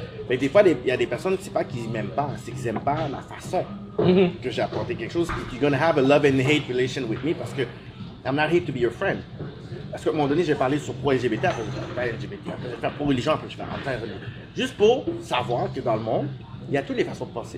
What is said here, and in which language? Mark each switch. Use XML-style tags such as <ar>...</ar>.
<fr>Fait que des fois, il y a des personnes, c'est pas qu'ils m'aiment pas, c'est qu'ils aiment pas la façon que j'ai apporté quelque chose.</fr> <en>You're going to have a love and hate relation with me</en> <fr>parce que</fr> <en>I'm not here to be your friend.</en> <fr>Parce qu'à un moment donné, j'ai parlé sur pro-LGBT, après je vais faire pro-religion, après je vais faire religion. Juste pour savoir que dans le monde, Il y a toutes les façons de penser.</fr>